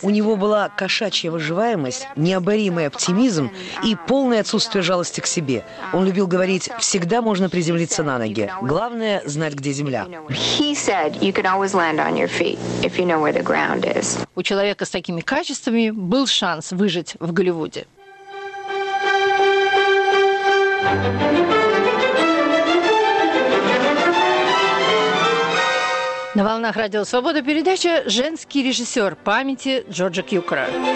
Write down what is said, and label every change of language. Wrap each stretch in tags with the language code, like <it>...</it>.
<ru>У него была кошачья выживаемость, необоримый оптимизм и полное отсутствие жалости к себе. Он любил говорить: всегда можно приземлиться на ноги. Главное – знать, где земля.</ru> <en>He said, you can always land on your feet if you know where the ground is.</en> <ru>У человека с такими качествами был шанс выжить в Голливуде. На волнах радио «Свобода» передача «Женский режиссер памяти Джорджа Кьюкера».</ru>